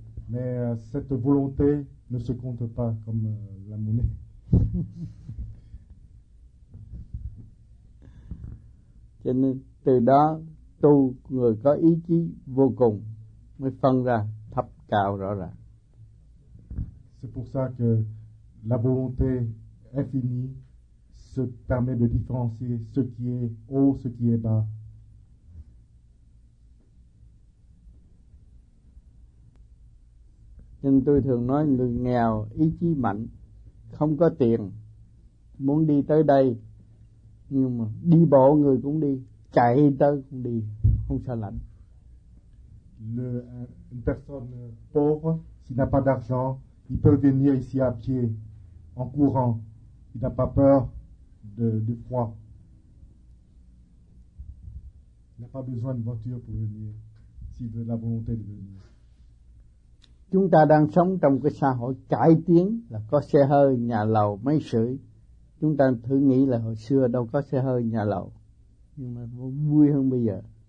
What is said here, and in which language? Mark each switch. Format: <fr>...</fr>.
<fr>Mais cette volonté ne se compte pas comme la monnaie.</fr> <vi>Cho nên từ đó tu người có ý chí vô cùng mới phân ra thấp cao rõ ràng.</vi> <fr>C'est pour ça que la volonté infinie se permet de différencier ce qui est haut, ce qui est bas.</fr> <vi>Nhưng tôi thường nói người nghèo ý chí mạnh, không có tiền, muốn đi tới đây, nhưng mà đi bộ người cũng đi, chạy tới cũng đi, không sợ lạnh.</vi> <fr>Une personne pauvre, s'il n'a pas d'argent, il peut venir ici à pied, en courant, il n'a pas peur. De froid. Il n'a pas besoin de voiture pour venir s'il veut la volonté de venir.</fr> <vi>Chúng ta đang sống trong cái xã hội cải tiến là có xe hơi, nhà lầu, máy sưởi. Chúng ta thử nghĩ là hồi xưa đâu có xe hơi, nhà lầu, nhưng mà vui hơn bây giờ.</vi>